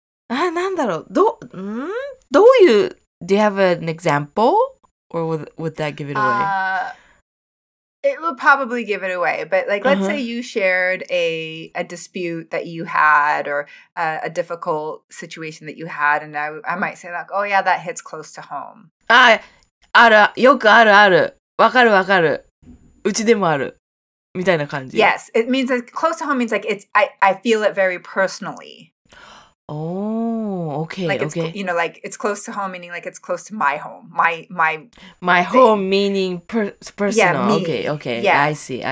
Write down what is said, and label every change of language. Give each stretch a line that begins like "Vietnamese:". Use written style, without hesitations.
English: Yeah.
Japanese: なんだろう?どういう,
English: do you have an example? Or would that give it away? It would probably give it away. But like, let's say you shared a dispute that you had or a difficult situation that you had. And I might say like, oh yeah, that hits close to home.
Japanese: Ah, ある、よくある、ある。わかる、わかる。うちでもある。みたいな感じ。
English: Yes, it means that close to home means like, it's, I feel it very personally. Oh, okay, like okay. You know, like, it's close to home, meaning like, it's close to my home. My thing. Home, meaning personal. Yeah, me. Okay, yeah. I see.